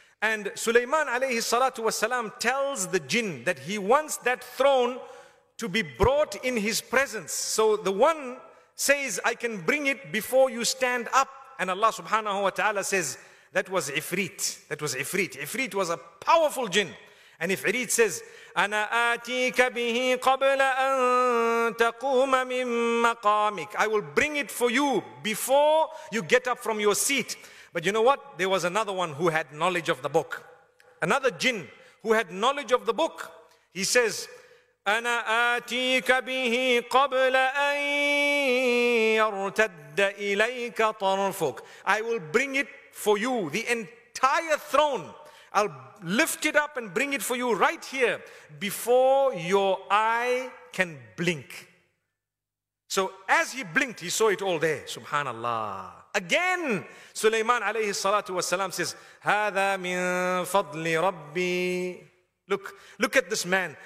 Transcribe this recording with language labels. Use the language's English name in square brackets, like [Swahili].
[English] And Sulaiman alayhi salatu wasalam tells the jinn that he wants that throne to be brought in his presence. So the one says, I can bring it before you stand up. And Allah subhanahu wa ta'ala says, that was Ifrit. That was Ifrit. Ifrit was a powerful jinn. And Ifrit says, [Arabic] أَنَا آتِيكَ بِهِ قَبْلَ أَن تَقُومَ مِن مَقَامِكَ. [English] I will bring it for you before you get up from your seat. But you know what? There was another one who had knowledge of the book. Another jinn who had knowledge of the book. He says, [Arabic] أَنَا آتِيكَ بِهِ قَبْلَ أَن يَرْتَدَّ إِلَيْكَ طَرْفُكَ. [English] I will bring it for you, the entire throne. I'll lift it up and bring it for you right here before your eye can blink. So as he blinked, he saw it all there. Subhanallah. Again, Sulaiman alayhi salatu wasalam says, [Arabic] هَذَا مِن فَضْلِ رَبِّي. [English] Look at this man.